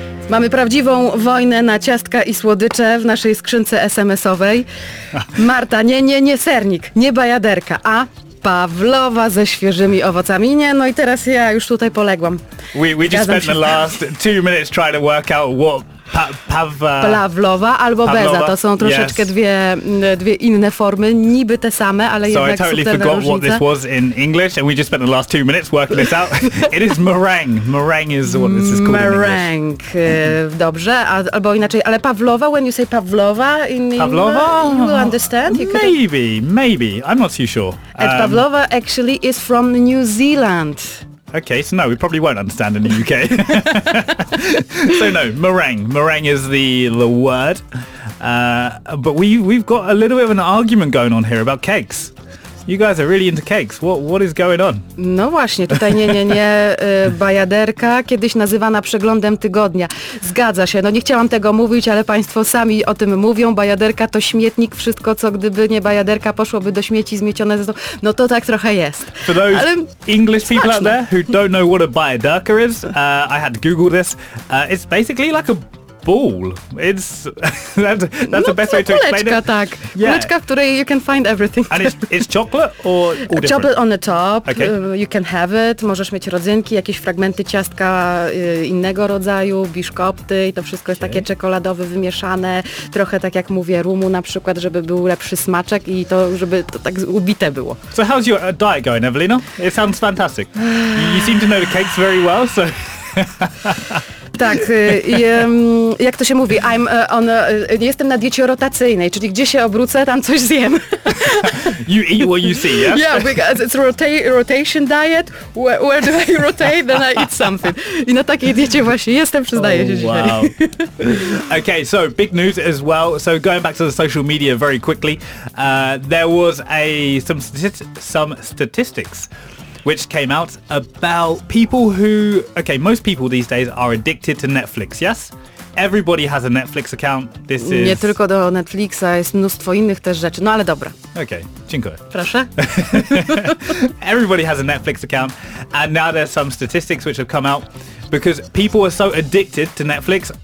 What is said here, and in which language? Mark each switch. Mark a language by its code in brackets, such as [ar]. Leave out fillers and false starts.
[pl] Mamy prawdziwą wojnę na ciastka i słodycze w naszej skrzynce SMS-owej. Marta, nie sernik, nie bajaderka, a pawlowa ze świeżymi owocami. Nie, no i teraz ja już tutaj poległam. [en] We just spent the last 2 minutes trying to work out what [pl] Pawlowa albo Beza, to są troszeczkę dwie inne formy, niby te same, ale [en] so [pl] jednak subtelne różnice. [en] So I totally forgot what this was in English and we just spent the last 2 minutes working this out. It is meringue. Meringue is what this is called meringue. In English. [pl] Dobrze, albo inaczej, ale [en] Pawlowa, when you say Pawlowa in English, Pawlowa? You will understand? You maybe, I'm not too sure. And Pawlowa actually is from New Zealand. Okay, so no, we probably won't understand in the UK. So no, meringue is the word. But we've got a little bit of an argument going on here about cakes. You guys are really into cakes. What is going on? [pl] No właśnie, tutaj nie, bajaderka, kiedyś nazywana przeglądem tygodnia. Zgadza się, no nie chciałam tego mówić, ale państwo sami o tym mówią. Bajaderka to śmietnik, wszystko co gdyby nie bajaderka poszłoby do śmieci zmiecione ze sobą. No to tak trochę jest. [en] For those [pl] ale [en] English people [pl] smaczne. [en] Out there who don't know what a bajaderka is, I had to Google this. It's basically like a ball. It's that's [pl] no, [en] the best way to explain [pl] kuleczka, [en] it. Tak. Yeah. [pl] Kuleczka, w której [en] you can find everything. And it's chocolate or different? Chocolate on the top. Okay. You can have it. [pl] Możesz mieć rodzynki, jakieś fragmenty ciastka innego rodzaju, biszkopty i to wszystko jest takie czekoladowe, wymieszane. Trochę tak jak mówię, rumu na przykład, żeby był lepszy smaczek i to, żeby to tak ubite było. [en] So how's your diet going, Evelina? It sounds fantastic. You seem to know the cakes very well, so... [pl] Tak, jak to się mówi, jestem na diecie rotacyjnej, czyli gdzie się obrócę, tam coś zjem. [en] You eat what you see, yeah? Yeah, because it's a rotation diet, where do I rotate, then I eat something. [pl] I na takiej diecie właśnie jestem, przyznaję się dzisiaj. [en] Wow. Okay, so big news as well, so going back to the social media very quickly, there was some statistics which came out about people who, okay, most people these days are addicted to Netflix, yes? Everybody has a Netflix account. This is... [pl] Nie tylko do Netflixa, jest mnóstwo innych też rzeczy, no ale dobra. Okay, dziękuję. Proszę. [en] Everybody has a Netflix account, and now there's some statistics which have come out because people are so addicted to Netflix.